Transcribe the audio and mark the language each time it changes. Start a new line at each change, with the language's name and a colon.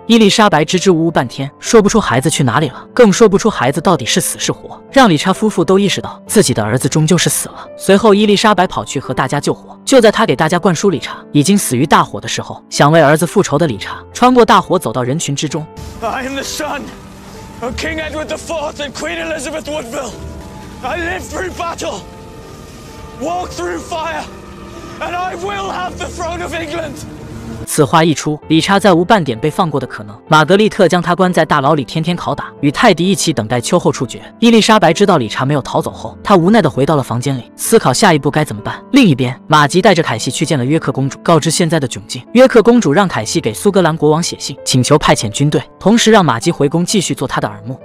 Chinese: 伊丽莎白支支吾吾半天，说不出孩子去哪里了，更说不出孩子到底是死是活，让理查夫妇都意识到自己的儿子终究是死了。随后伊丽莎白跑去和大家救火，就在他给大家灌输理查已经死于大火的时候，想为儿子复仇的理查穿过大火走到人群之中。
English: I am the son of King Edward IV and Queen Elizabeth Woodville. I live through battle, walk through fire, and I will have the throne of England.
Chinese: 此话一出，理查再无半点被放过的可能。玛格丽特将他关在大牢里天天拷打，与泰迪一起等待秋后处决。伊丽莎白知道理查没有逃走后，她无奈地回到了房间里思考下一步该怎么办。另一边，马吉带着凯西去见了约克公主，告知现在的窘境。约克公主让凯西给苏格兰国王写信，请求派遣军队，同时让马吉回宫继续做他的耳目。